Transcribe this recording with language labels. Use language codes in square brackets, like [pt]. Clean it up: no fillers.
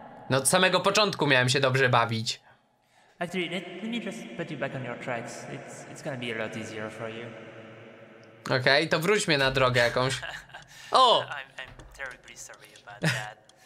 [pl] No od samego początku miałem się dobrze bawić. [en] Actually, let me just put you back on your tracks. It's gonna be a lot easier for you. [pl] Okej, to wróć mnie na drogę jakąś. O! [en] I'm terribly sorry about that.